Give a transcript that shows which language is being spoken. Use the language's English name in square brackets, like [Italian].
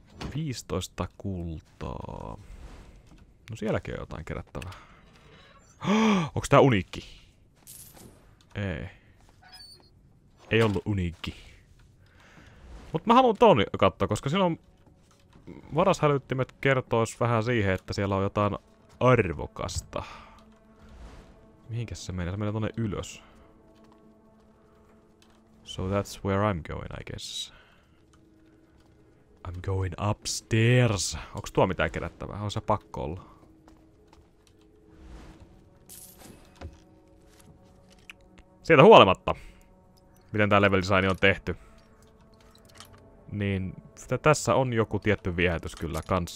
[Finnish] 15 kultaa. No sielläkin on jotain kerättävää. Onks tää uniikki? Ei. Ei ollut uniikki. Mut mä haluan ton katsoa, koska siinä on varashälyttimet kertois vähän siihen, että siellä on jotain arvokasta. Mihinkäs se menee? Se menee tonne ylös. [English] So that's where I'm going, I guess. I'm going upstairs. [Finnish] Onks tuo mitään kerättävää? On se pakko olla. Siitä huolimatta, miten tää level design on tehty, niin tässä on joku tietty viehätys kyllä kans.